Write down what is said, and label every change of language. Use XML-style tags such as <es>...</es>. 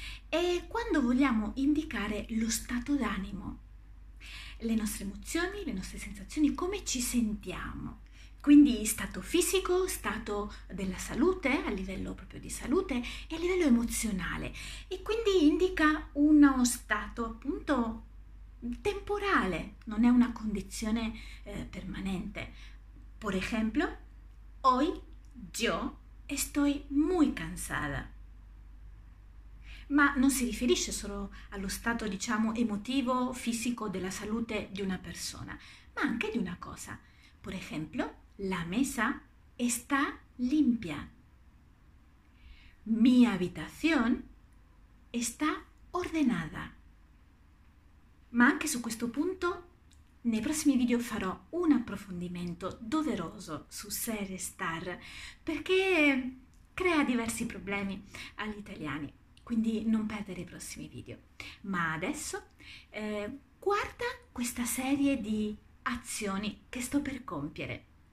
<it>È quando vogliamo indicare lo stato d'animo, le nostre emozioni, le nostre sensazioni, come ci sentiamo. Quindi stato fisico, stato della salute, a livello proprio di salute e a livello emozionale. E quindi indica uno stato appunto temporale, non è una condizione permanente.</it> <es>Por ejemplo, hoy yo estoy muy cansada.</es> <it>Ma non si riferisce solo allo stato, diciamo, emotivo, fisico della salute di una persona, ma anche di una cosa. Per esempio,</it> <es>la mesa está limpia. Mi habitación está ordenada.</es> <it>Ma anche su questo punto, nei prossimi video farò un approfondimento doveroso su ser e star, perché crea diversi problemi agli italiani. Quindi non perdere i prossimi video. Ma adesso guarda questa serie di azioni che sto per compiere.</it>